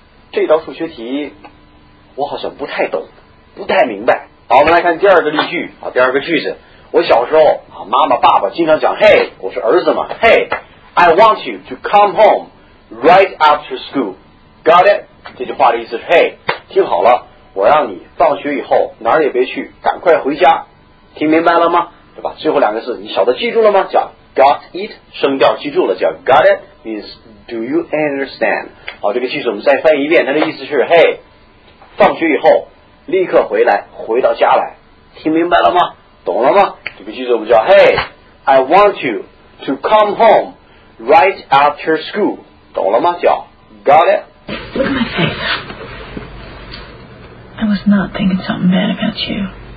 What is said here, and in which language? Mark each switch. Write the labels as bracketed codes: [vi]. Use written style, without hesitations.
[zh] 这道数学题我好像不太懂，不太明白。好，我们来看第二个例句啊，第二个句子，我小时候啊妈妈爸爸经常讲嘿， 我是儿子嘛， [en] Hey， I want you to come home。 Right after school. Got it? [zh] 这句话的意思是, Hey, 听好了,我让你放学以后,哪儿也别去,赶快回家。听明白了吗?对吧? 最后两个字,你晓得记住了吗? 叫 got it, 声调记住了, 叫 [en] got it means do you understand? [zh] 好,这个句子我们再翻译一遍,它的意思是, Hey, 放学以后,立刻回来,回到家来。听明白了吗? 懂了吗? 这个句子我们叫, [en] Hey, I want you to come home right after school. [zh] 懂了吗?叫 got it. [en] Look at my face. I was not thinking something bad about you.